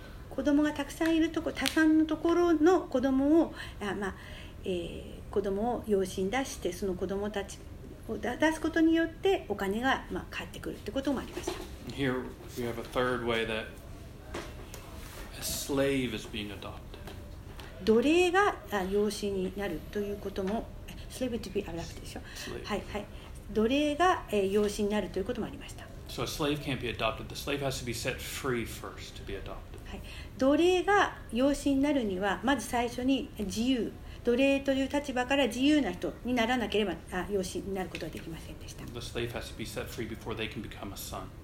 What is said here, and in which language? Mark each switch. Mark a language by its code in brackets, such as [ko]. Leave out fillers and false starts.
[ja] 子供がたくさんいるところ、多産のところの子供を、まあ、子供を養子に出して、その子供たちを出すことによってお金が、まあ、返ってくるってこともありました。 [en] Here we have a third way that a slave is being adopted. [ja] 奴隷が養子になるということも、 [en] slave to be adopted [ja] でしょ。はいはい。奴隷が養子になるということもありました。 [en] So a slave can't be adopted. The slave has to be set free first to be adopted. [ja] はい。奴隷が養子になるにはまず最初に自由、奴隷という立場から自由な人にならなければ養子になることはできませんでした。 [en] The slave has to be set free before they can become a son.